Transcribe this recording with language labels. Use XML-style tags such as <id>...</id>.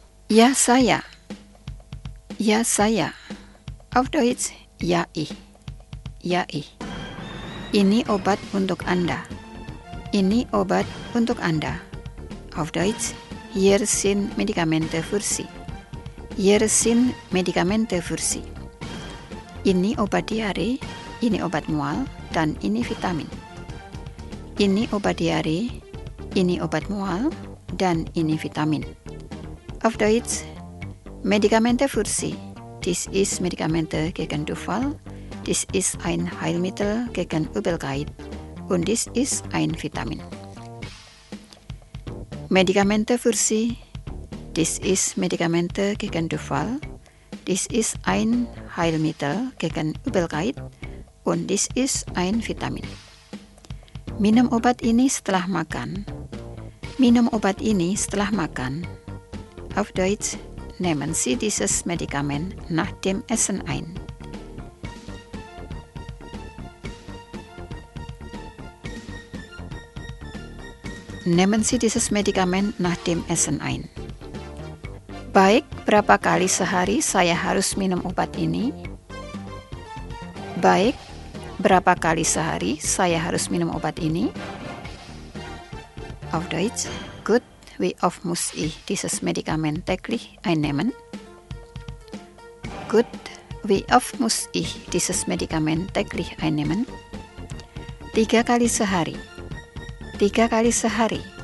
<id>Ja, saya. Ja, saya.</id> <de>Auf Deutsch, ja, ich. Ja, ich.</de> <id>Ini obat untuk Anda. Ini obat untuk Anda.</id> <de>Auf Deutsch, hier sind Medikamente für Sie. Hier sind Medikamente für Sie.</de> <id>Ini obat diare, ini obat mual, dan ini vitamin. Ini obat diare, ini obat mual, dan ini vitamin.</id> <de>Auf Deutsch, Medikamente für Sie. Dies ist Medikamente gegen Durchfall. Dies ist ein Heilmittel gegen Übelkeit. Und dies ist ein Vitamin. Medikamente für Sie. Dies ist Medikamente gegen Durchfall. Dies ist ein Heilmittel gegen Übelkeit. Und dies ist ein Vitamin.</de> <id>Minum obat ini setelah makan. minum obat ini setelah makan.</id> <de>Auf Deutsch nehmen Sie dieses Medikament nach dem Essen ein. Nehmen Sie dieses Medikament nach dem Essen ein.</de> <id>Baik, berapa kali sehari saya harus minum obat ini? Baik, berapa kali sehari saya harus minum obat ini?</id> <de>Auf Deutsch, gut, wie oft muss ich dieses Medikament täglich einnehmen? Gut, wie oft muss ich dieses Medikament täglich einnehmen?</de> <id>Tiga kali sehari. Tiga kali sehari.</id>